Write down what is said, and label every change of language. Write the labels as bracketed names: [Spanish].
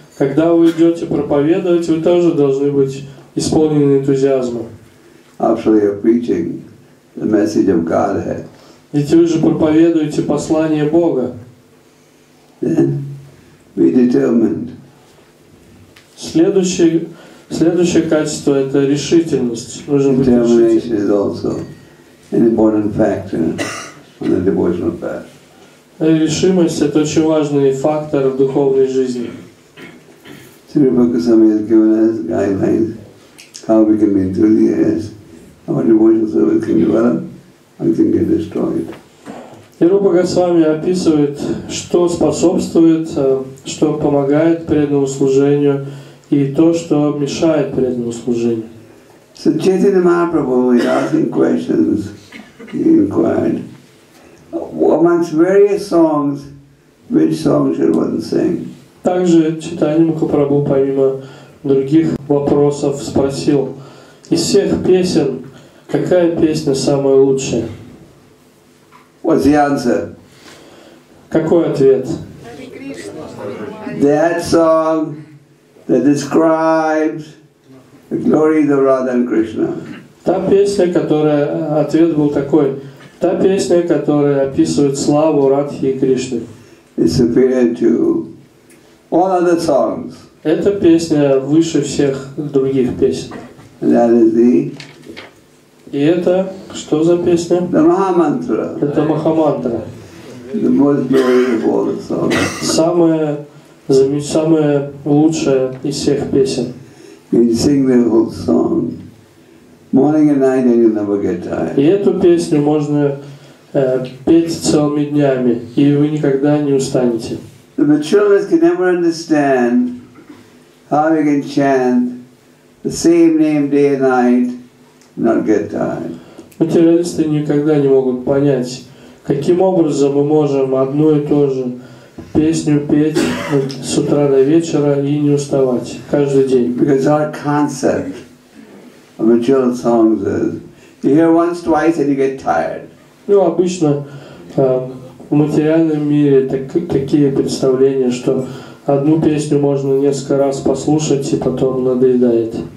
[Russian] Когда вы идете проповедовать, вы тоже должны быть исполнены энтузиазма. [English] Actually, you're preaching the message of Godhead. [Russian] Ведь вы же проповедуете послание Бога. [English] Then be determined. [Russian] Следующее качество – это решительность. [English] Determination is also an important factor on the devotional path. [Russian] Решимость – это очень важный фактор в духовной жизни. [English] Sri Bhagavatam has given us guidelines how we can be enthusiastic, how our devotional service can develop, how it can get destroyed. [Russian] Сри Бхагавасвами описывает, что способствует, что помогает преданному служению и то, что мешает преданному служению. [English] So Chaitanya Mahaprabhu, when asking questions, he inquired, amongst various songs, which song should one sing? [Russian] Также Чайтанья Махапрабху, помимо других вопросов, спросил, из всех песен, какая песня самая лучшая? [English] What's the answer? [Russian] Какой ответ? [English] That song that describes the glory of Radha and Krishna. [Russian] Та песня, которая ответ был такой. Та песня, которая описывает славу Радхи и Кришны. [English] It's superior to all other songs. [Russian] Эта песня выше всех других песен. [English] And that is the. [Russian] И это что за песня? [English] The Mahamantra. [Russian] Это Махамантра. [English] The most beautiful song. [Russian] Самая лучшая из всех песен. [English] You sing the whole song. Morning and night, and you'll never get tired. [Russian] И эту песню можно петь целыми днями, и вы никогда не устанете. [English] The materialist can never understand how you can chant the same name day and night. Not get tired. [Russian] Материалисты никогда не могут понять, каким образом мы можем одну и ту же песню петь с утра до вечера и не уставать каждый день. [English] Because our concept of material songs is you hear once, twice, and you get tired. [Russian] Ну обычно в материальном мире такие представления, что одну песню можно несколько раз послушать и потом надоедает.